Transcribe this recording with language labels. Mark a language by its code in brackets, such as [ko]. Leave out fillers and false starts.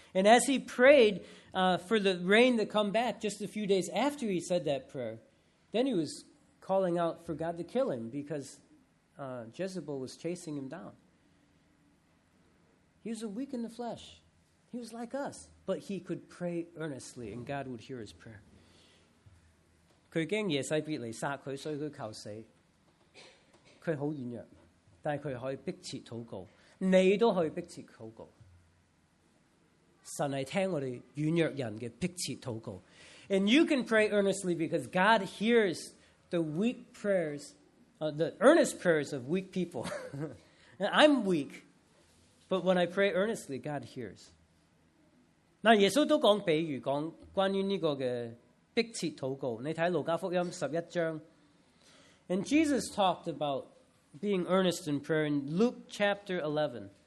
[en] And as he prayed for the rain to come back just a few days after he said that prayer, then he was calling out for God to kill him because Jezebel was chasing him down. He was weak in the flesh. He was like us, but he could pray earnestly and God would hear his prayer. [zh] 他怕耶洗别来杀他，所以他求死。他很软弱，但他可以迫切祷告。你都可以迫切祷告。神是听我们软弱人的迫切祷告。 [en] And you can pray earnestly because God hears the weak prayers, the earnest prayers of weak people. I'm weak, but when I pray earnestly, God hears. [zh] 那耶稣都讲比喻，讲关于这个的迫切祷告。你看路加福音十一章。 [en] And Jesus talked about being earnest in prayer in Luke chapter 11.